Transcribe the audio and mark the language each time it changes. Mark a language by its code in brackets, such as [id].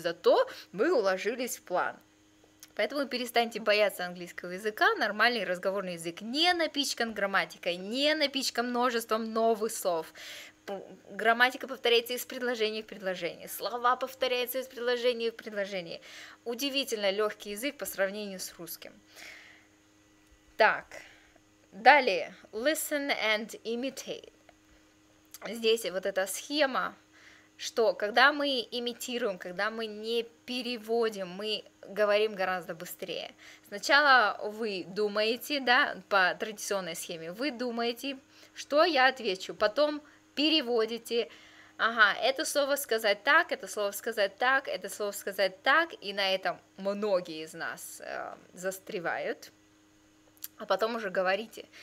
[ru] Зато вы уложились в план. Поэтому перестаньте бояться английского языка, нормальный разговорный язык не напичкан грамматикой, не напичкан множеством новых слов. Грамматика повторяется из предложения в предложение, слова повторяются из предложения в предложение. Удивительно легкий язык по сравнению с русским. Так, далее, [en] listen and imitate. [ru] Здесь вот эта схема, что когда мы имитируем, когда мы не переводим, мы говорим гораздо быстрее. Сначала вы думаете, да, по традиционной схеме, вы думаете, что я отвечу, потом переводите, ага, это слово сказать так, это слово сказать так, это слово сказать так, и на этом многие из нас застревают, а потом уже говорите.